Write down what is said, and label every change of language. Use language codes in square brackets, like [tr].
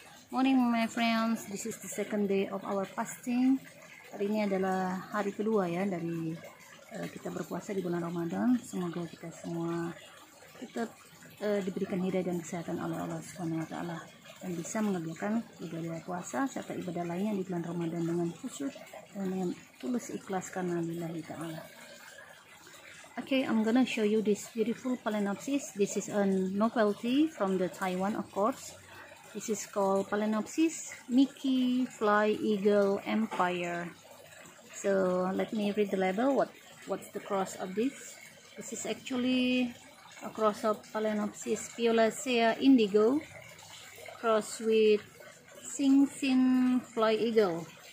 [en] Morning my friends, this is the second day of our fasting. [id] Hari ini adalah hari kedua ya dari kita berpuasa di bulan Ramadan. Semoga kita semua tetap diberikan hidayah dan kesehatan oleh Allah SWT dan bisa mengerjakan ibadah puasa serta ibadah lainnya di bulan Ramadan dengan khusyuk dan dengan tulus ikhlas karena lillahi ta'ala. [en] Okay, I'm gonna show you this beautiful Phalaenopsis. This is a novelty from the Taiwan, of course. This is called Phalaenopsis Mickey Fly Eagle Empire. So let me read the label. What's the cross of this? This is actually a cross of Phalaenopsis Piolacea Indigo cross with Sing Sing Fly Eagle.